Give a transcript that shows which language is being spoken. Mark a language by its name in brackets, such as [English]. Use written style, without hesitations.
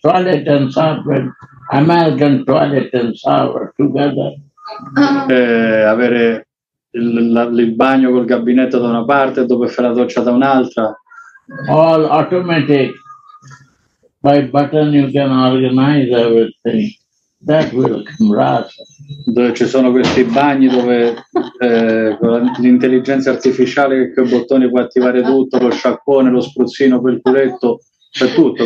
[English] Toilet and separate, American toilet and shower together. [Italian] Avere il bagno col gabinetto da una parte, dove fare la doccia da un'altra, [English] all automatic, by button you can organize everything. That will come rasa. [Italian] Dove ci sono questi bagni dove con l'intelligenza artificiale che il bottone può attivare tutto, lo sciacquone, lo spruzzino, quel culetto, c'è tutto.